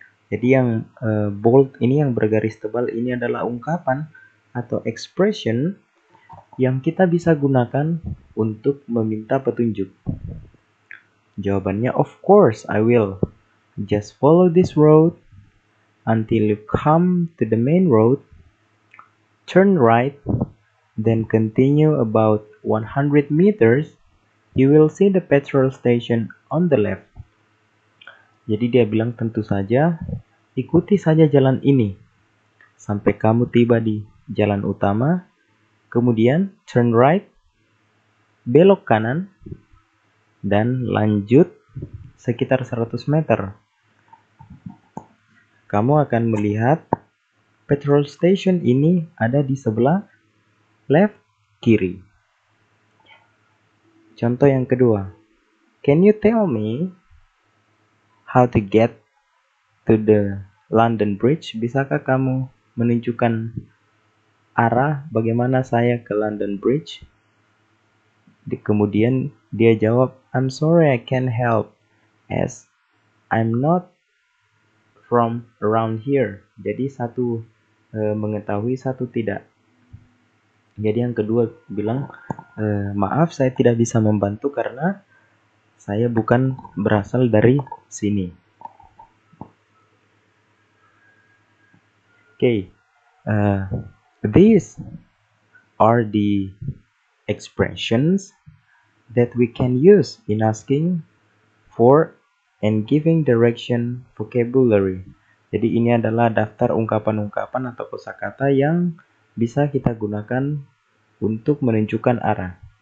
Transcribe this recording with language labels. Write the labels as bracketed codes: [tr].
[id] Jadi yang bold ini, yang bergaris tebal ini, adalah ungkapan atau expression yang kita bisa gunakan untuk meminta petunjuk. Jawabannya, [en] of course I will. Just follow this road until you come to the main road. Turn right, then continue about 100 meters. You will see the petrol station on the left. [id] Jadi dia bilang, tentu saja, ikuti saja jalan ini sampai kamu tiba di jalan utama. Kemudian turn right, belok kanan, dan lanjut sekitar 100 meter. Kamu akan melihat petrol station ini ada di sebelah left kiri. Contoh yang kedua. [en] Can you tell me how to get to the London Bridge? [id] Bisakah kamu menunjukkan arah bagaimana saya ke London Bridge? Kemudian dia jawab, [en] I'm sorry I can't help as I'm not from around here. [id] Jadi satu mengetahui, satu tidak. Jadi yang kedua bilang, maaf saya tidak bisa membantu karena saya bukan berasal dari sini. [en] Okay, these are the expressions that we can use in asking for and giving direction vocabulary. [id] Jadi ini adalah daftar ungkapan-ungkapan atau kosakata yang bisa kita gunakan untuk menunjukkan arah.